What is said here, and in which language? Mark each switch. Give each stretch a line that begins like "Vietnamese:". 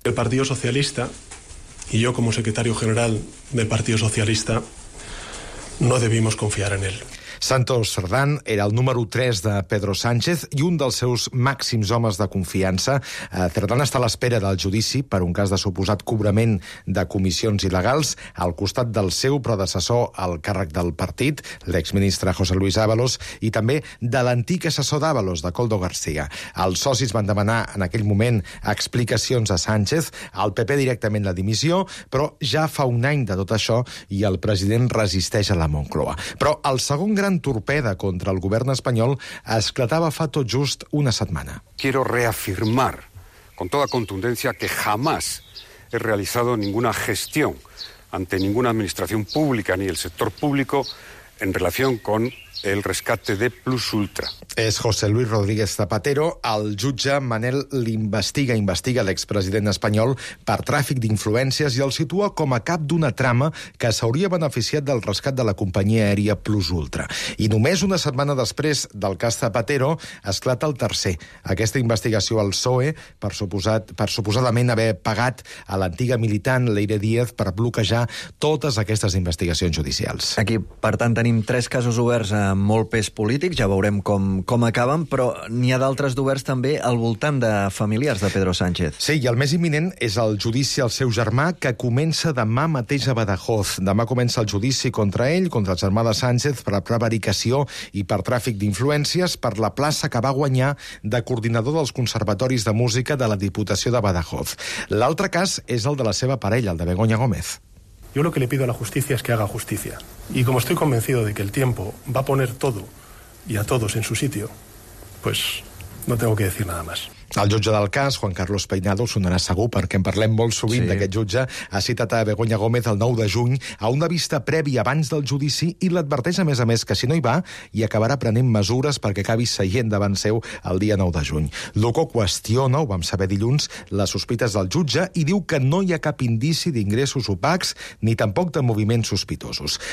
Spanish: El Partido Socialista, y yo como secretario general del Partido Socialista, no debimos confiar en él.
Catalan: Santos Cerdán era el número 3 de Pedro Sánchez i un dels seus màxims homes de confiança. Cerdán està a l'espera del judici per un cas de suposat cobrament de comissions il·legals al costat del seu predecessor al càrrec del partit, l'exministre José Luis Ábalos, i també de l'antic assessor d'Ábalos, de Koldo García. Els socis van demanar en aquell moment explicacions a Sánchez, al PP directament la dimissió, però ja fa un any de tot això i el president resisteix a la Moncloa. Però el segon gran torpeda contra el govern espanyol esclatava fa tot just una setmana.
Spanish: Quiero reafirmar con toda contundencia que jamás he realizado ninguna gestión ante ninguna administración pública ni el sector público en relación con el rescate de Plusultra.
Catalan: És José Luis Rodríguez Zapatero. El jutge Manel l'investiga l'expresident espanyol per tràfic d'influències i el situa com a cap d'una trama que s'hauria beneficiat del rescat de la companyia aèria Plusultra. I només una setmana després del cas Zapatero, esclata el tercer. Aquesta investigació al PSOE per suposadament haver pagat a l'antiga militant Leire Díaz per bloquejar totes aquestes investigacions judicials. Aquí, per tant, tenim tres casos oberts a molt pes polític, ja veurem com acaben, però n'hi ha d'altres d'oberts també al voltant de familiars de Pedro Sánchez. Sí, i el més imminent és el judici al seu germà, que comença demà mateix a Badajoz. Demà comença el judici contra ell, contra el germà de Sánchez, per prevaricació i per tràfic d'influències, per la plaça que va guanyar de coordinador dels conservatoris de música de la Diputació de Badajoz. L'altre cas és el de la seva parella, el de Begoña Gómez.
Spanish: Yo lo que le pido a la justicia es que haga justicia. Y como estoy convencido de que el tiempo va a poner todo y a todos en su sitio, pues no tengo que decir nada más.
Catalan: El jutge del cas, Juan Carlos Peinado, sonarà segur, perquè en parlem molt sovint, sí. D'aquest jutge, ha citat a Begoña Gómez el 9 de juny a una vista prèvia abans del judici i l'adverteix, a més, que si no hi va, hi acabarà prenent mesures perquè acabi seient davant seu el dia 9 de juny. Loco qüestiona, ho vam saber dilluns, les sospites del jutge i diu que no hi ha cap indici d'ingressos opacs ni tampoc de moviments sospitosos.